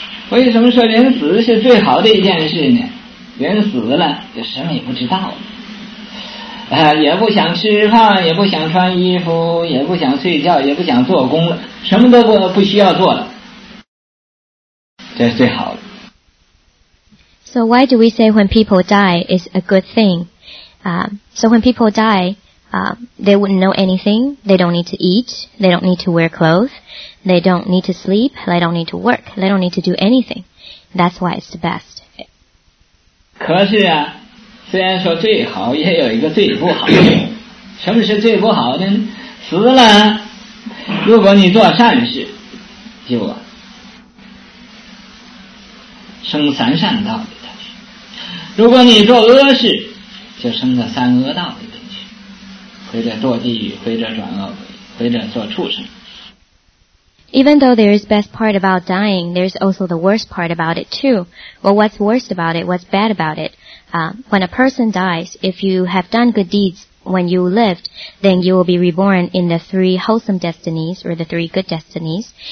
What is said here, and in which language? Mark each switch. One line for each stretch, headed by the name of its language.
English: Why is it that death is the best thing to do?
Chinese: 人死了就什么也不知道了、也不想吃饭，也不想穿衣服，也不想睡觉，也不想做工了，什么都 不需要做了，这是最好的。
English: So why do we say when people die is a good thing? So when people die, they wouldn't know anything. They don't need to eat. They don't need to wear clothes. They don't need to sleep. They don't need to work. They don't need to do anything. That's why it's the best.
Chinese: 可是啊，虽然说最好，也有一个最不好的。什么是最不好的呢？死了，如果你做善事，就啊，生三善道里头去；如果你做恶事，就生到三恶道里头去，或者堕地狱，或者转恶鬼，或者做畜生。
English: Even though there is best part about dying, there is also the worst part about it too. Well, what's worst about it? What's bad about it? When a person dies, if you have done good deeds when you lived, then you will be reborn in the three wholesome destinies or the three good destinies.